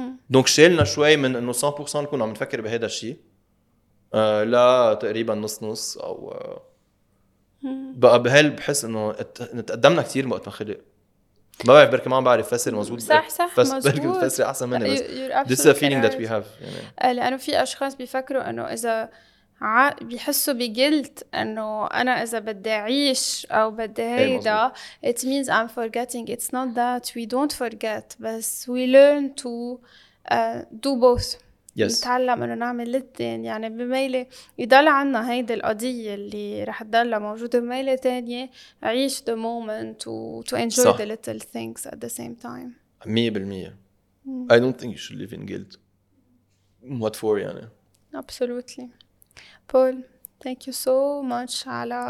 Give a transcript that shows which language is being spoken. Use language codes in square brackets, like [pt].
[ar] دونك شيلنا شوي من انه 100% نكون عم نفكر بهذا الشيء لا تقريبا نص نص او بقى بهل. بحس انه نتقدمنا كثير وقت ما خلق. ما بعرف بركي ما بعرف فسر مزبوط صح بس بركي بتفسر احسن مني بس [en] this is a feeling that we have. [ar] يعني لانه في اشخاص بيفكروا انه اذا بيحسوا بجلت انه انا اذا بدي اعيش او بدي هيدا [en] it means I'm forgetting. It's not that we don't forget بس we learn to do both. Yes. [ar] نتعلم انه نعمل الاثنين. يعني بميله يضل عنا هيدي القضيه اللي رح تضل موجوده بميله ثانيه عيش [en] the moment to enjoy [ar] صح. [en] The little things at the same time. 100% I don't think you should live in guilt. What for يعني؟ Absolutely. Paul, thank you so much على